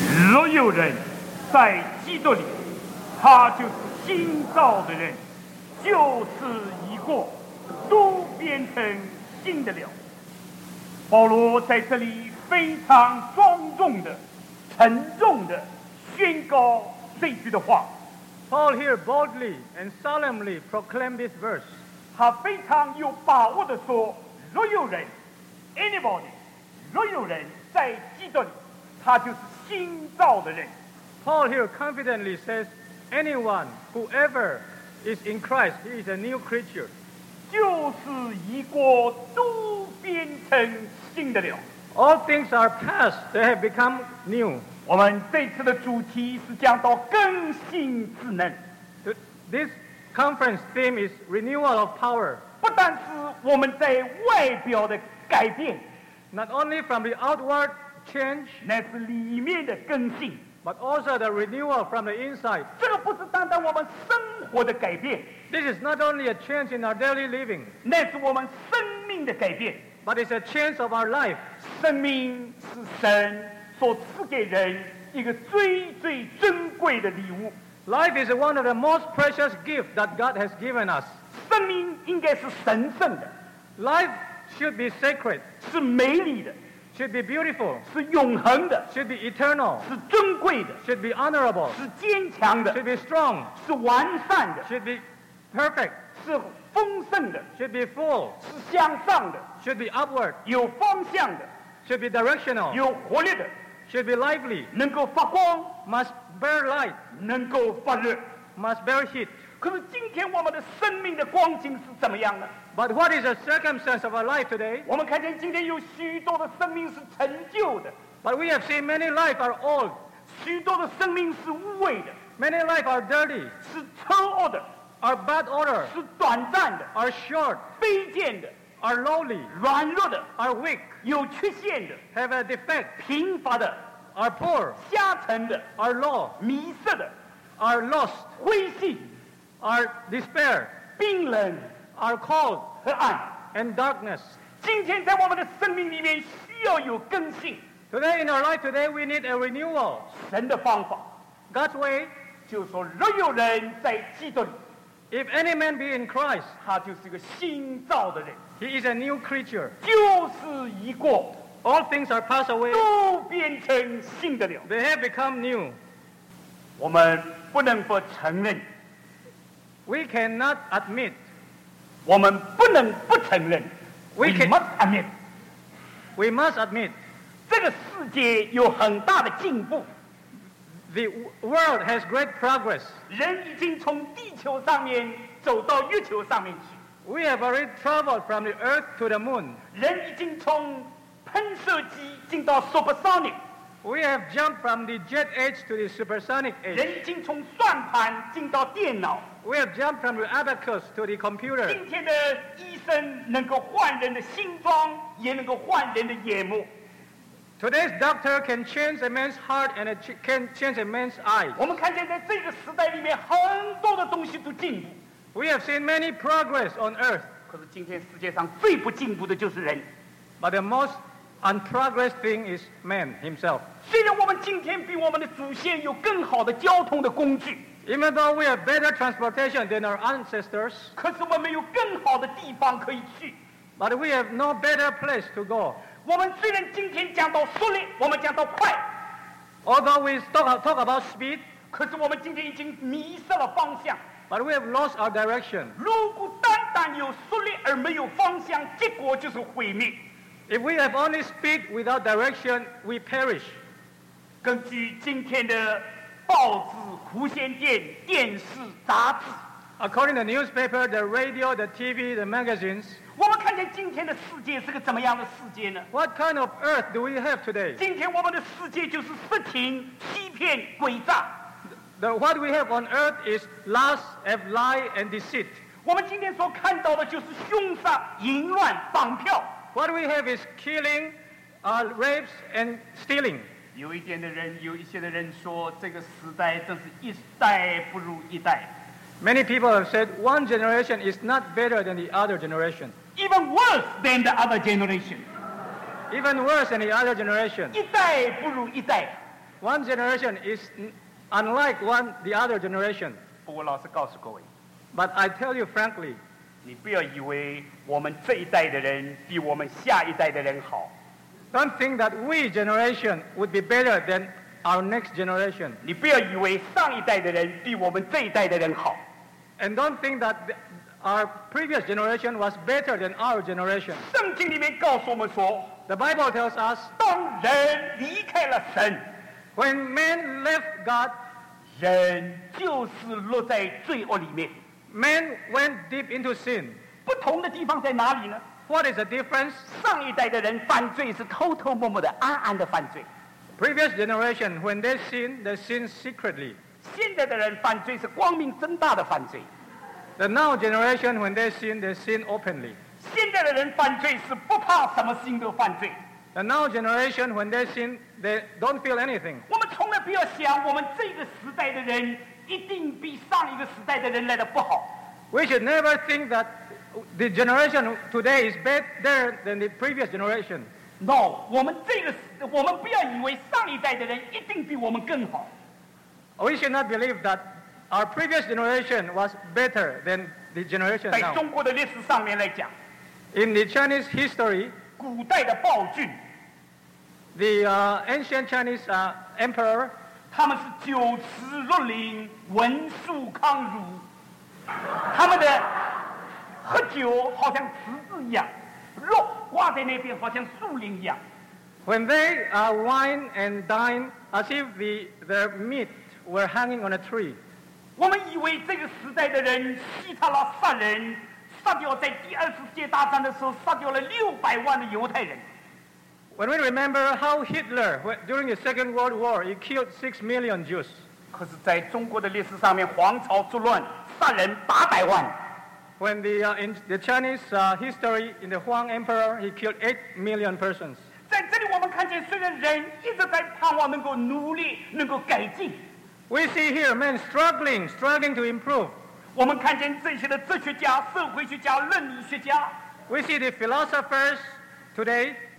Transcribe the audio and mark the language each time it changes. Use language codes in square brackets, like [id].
[zh] 若有人在基督里，他就是新造的人，旧事已过，都变成新的了。保罗在这里非常庄重的、沉重的宣告这句的话。 [en] Paul here boldly and solemnly proclaimed this verse. [zh] 他非常有把握地说，若有人 ， [en] anybody， [zh] 若有人在基督里，他就是新造的人。 [en] Paul here confidently says, anyone, whoever is in Christ, he is a new creature. [zh] 旧事已过，都变成新的了。 [en] All things are past, they have become new. [zh] 我们这次的主题是讲到更新智能。 [en] This conference theme is renewal of power. [zh] 不但是我们在外表的改变。 [en] Not only from the outward change, [zh] 乃是里面的更新。 [en] But also the renewal from the inside. [zh] 这个不是单单我们生活的改变。 [en] This is not only a change in our daily living. [zh] 乃是我们生命的改变。 [en] But it's a change of our life. [zh] 生命是神所赐给人一个最最珍贵的礼物。 [en] Life is one of the most precious gifts that God has given us. [zh] 生命应该是神圣的。 [en] Life should be sacred. [zh] 是美丽的。 [en] Should be beautiful. [zh] 是永恒的。 [en] Should be eternal. [zh] 是珍贵的。 [en] Should be honorable. [zh] 是坚强的。 [en] Should be strong. [zh] 是完善的。 [en] Should be perfect. [zh] 是丰盛的。 [en] Should be full. [zh] 是向上的。 [en] Should be upward. [zh] 有方向的。 [en] Should be directional. [zh] 有活力的。 [en] Should be lively. [zh] 能够发光。 [en] Must bear light. [zh] 能够发热。 [en] Must bear heat. [zh] 可是今天我们的生命的光景是怎么样的？ [en] But what is the circumstance of our life today? [zh] 我们看见今天有许多的生命是陈旧的。 [en] But we have seen many lives are old. [zh] 许多的生命是污秽的。 [en] Many lives are dirty. [zh] 是丑恶的。 [en] Are bad order. [zh] 是短暂的。 [en] Are short. [zh] 卑贱的。 [en] Are lowly. [zh] 软弱的。 [en] Are weak. [zh] 有缺陷的。 [en] Have a defect. [zh] 贫乏的。 [en] Are poor. [zh] 下沉的。 [en] Are low. [zh] 迷失的。 [en] Are lost. [zh] 灰心。 [en] Are despair. [zh] 冰冷。 [en] Are cold. [zh] 和暗。 [en] And darkness. [zh] 今天在我们的生命里面需要有更新。 [en] Today in our life today we need a renewal. [zh] 神的方法。 [en] God's way. [zh] 就是说若有人在基督里。 [en] If any man be in Christ, [zh] 他就是一个新造的人。 [en] He is a new creature. [zh] 旧事已过。 [en] All things are passed away. [zh] 都变成新的了。 [en] They have become new. [zh] 我们不能不承认。 [en] We cannot admit. [zh] 我们不能不承认。 [en] We must admit. We must admit. [zh] 这个世界有很大的进步。 [en] The world has great progress. [zh] 人已经从地球上面走到月球上面去。 [en] We have already traveled from the earth to the moon. [zh] 人已经从喷射机进到 supersonic. [en] We have jumped from the jet age to the supersonic age. [zh] 人已经从算盘进到电脑。 [en] We have jumped from the abacus to the computer. [zh] 今天的医生能够换人的心脏，也能够换人的眼目。 [en] Today's doctor can change a man's heart and can change a man's eyes. [zh] 我们看见在这个时代里面很多的东西都进步。 [en] We have seen many progress on earth. [zh] 可是今天世界上最不进步的就是人。 [en] But the most unprogress thing is man himself. [zh] 虽然我们今天比我们的祖先有更好的交通的工具。 [en] Even though we have better transportation than our ancestors. [zh] 可是我们有更好的地方可以去。 [en] But we have no better place to go. [zh] 我们虽然今天讲到速率，我们讲到快。 [en] Although we talk about speed, [zh] 可是我们今天已经迷失了方向。 [en] But we have lost our direction. [zh] 如果单单有速率而没有方向，结果就是毁灭。 [en] If we have only speed without direction, we perish. [zh] 根据今天的报纸、无线电、电视、杂志。 [en] According to the newspaper, the radio, the TV, the magazines, [zh] 我们看见今天的世界是个怎么样的世界呢？ [en] What kind of earth do we have today? [zh] 今天我们的世界就是色情、欺骗、诡诈。 [en] What we have on earth is lust, lie, and deceit. [zh] 我们今天所看到的就是凶杀、淫乱、绑票。 [en] What we have is killing, rapes, and stealing. [zh] 有一些的人说这个时代真是一代不如一代。 [en] Many people have said one generation is not better than the other generation. Even worse than the other generation. even worse than the other generation. [zh] 一代不如一代。 [en] One generation is unlike one the other generation. [zh] 不过老师告诉各位。 [en] But I tell you frankly, [zh] 你不要以为我们这一代的人比我们下一代的人好。 [en] Don't think that we generation would be better than our next generation. [zh] 你不要以为上一代的人比我们这一代的人好。 [en] And don't think that our previous generation was better than our generation. [zh] 圣经里面告诉我们说， [en] The Bible tells us, [zh] 当人离开了神， [en] When man left God, [zh] 人就是落在罪恶里面。 [en] Man went deep into sin. [zh] 不同的地方在哪里呢？ [en] What is the difference? [zh] 上一代的人犯罪是偷偷摸摸的，暗暗的犯罪。 [en] Previous generation, when they sin secretly. [zh] 现在的人犯罪是光明正大的犯罪。 [en] The now generation, when they sin openly. [zh] 现在的人犯罪是不怕什么心都犯罪。 [en] The now generation, when they sin, they don't feel anything. [zh] 我们从来不要想我们这个时代的人一定比上一个时代的人来得不好。 [en] We should never think that the generation today is better than the previous generation. [zh] No, 我们不要以为上一代的人一定比我们更好。 [en] We should not believe that our previous generation was better than the generation now. [zh] 在中国的历史上面来讲， [en] In the Chinese history, [zh] 古代的暴君， [en] The ancient Chinese emperor, [zh] 他们是九尺六零，文素康儒，他们的喝酒好像池子一样，肉挂在那边好像树林一样。 [en] When they wine and dine as if their meat were hanging on a tree. [zh] 我们以为这个时代的人吸他了杀人，杀掉在第二次世界大战的时候杀掉了600万的犹太人。 [en] When we remember how Hitler, during the Second World War, he killed 6 million Jews. [zh] 可是在中国的历史上面，皇朝作乱，杀人800万。 [en] When in the Chinese history, in the Huang Emperor, he killed 8 million persons. [zh] 在这里我们看见，虽然人一直在盼望能够努力，能够改进。 [en] We see here men struggling to improve. [zh] 我们看见这些的哲学家、社会学家、伦理学家。 [en] We see the philosophers today.